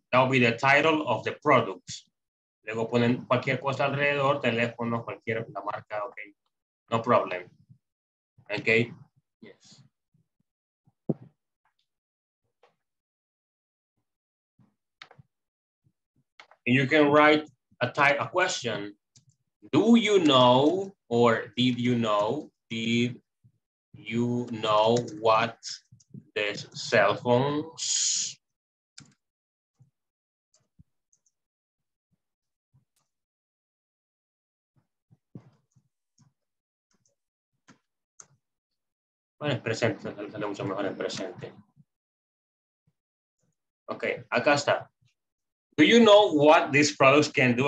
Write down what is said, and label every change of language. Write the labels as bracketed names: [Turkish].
[English] That will be the title of the product. [Spanish] Luego ponen cualquier cosa alrededor, teléfono, cualquier la marca. [English] Okay. No problem. Okay. Yes. And you can write a question. Do you know, or did you know what this cell phones? [Spanish] Bueno, es presente, sale mucho mejor en presente. Okay, acá está. [English] Do you know what these products can do?